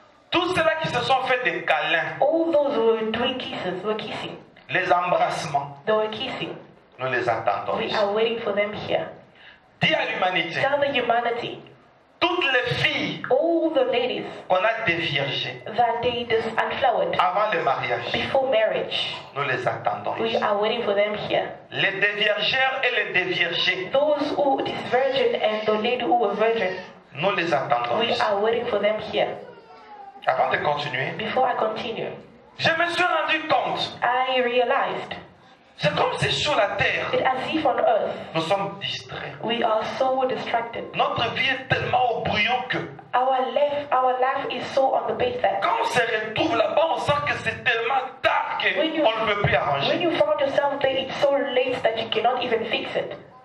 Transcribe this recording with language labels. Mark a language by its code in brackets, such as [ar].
[fr] tous ceux-là qui se sont fait des câlins, [en] all those who were doing kisses, were kissing. [fr] Les embrassements. [en] They were kissing. [fr] Nous les attendons. [en] We are waiting for them here. [fr] Dis à l'humanité. [en] Tell the humanity. [fr] Toutes les filles. [en] All the ladies. [fr] Qu'on a déviergées. [en] That they unflowered. [fr] Avant le mariage. [en] Before marriage. [fr] Nous les attendons. [en] We [fr] ici. [en] Are waiting for them here. [fr] Les déviergères et les déviergés. [en] Those who is virgin and the lady who were virgin. [fr] Nous les attendons. [en] We [fr] ici. [en] Are waiting for them here. [fr] Avant de continuer. [en] Before I continue. [fr] Je me suis rendu compte. [en] I realized. [fr] C'est comme si sur la terre. [en] It's as if on earth. [fr] Nous sommes distraits. [en] We are so distracted. [fr] Notre vie est tellement au brouillon que. [en] Our life is so on the pace that. [fr] Quand on se retrouve là-bas, on sent que c'est tellement tard que on ne peut plus arranger. [en] When you found yourself there, it's so late that you cannot even fix it.